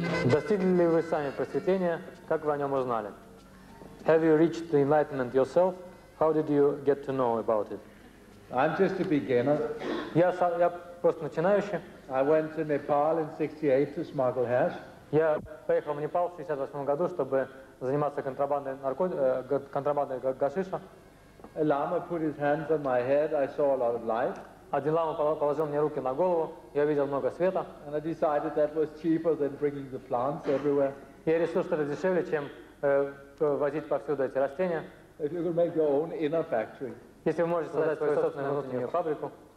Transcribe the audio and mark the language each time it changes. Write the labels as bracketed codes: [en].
[ru] Достигли ли вы сами просветления? Как вы о нем узнали? [en] Have you reached the enlightenment yourself? How did you get to know about it? I'm just a beginner. [ru] Я просто начинающий. [en] I went to Nepal in 68 to smuggle hash. [ru] Я поехал в Непал в 68 году, чтобы заниматься контрабандой гашиша. [en] A lama put his hands on my head. I saw a lot of light. [ru] Один лама положил мне руки на голову, я видел много света. [en] And I decided that was cheaper than bringing the plants everywhere. [ru] Я решил, что это дешевле, чем возить повсюду эти растения. [en] If you could make your own inner factory. [ru] Если вы можете создать свою собственную внутреннюю фабрику.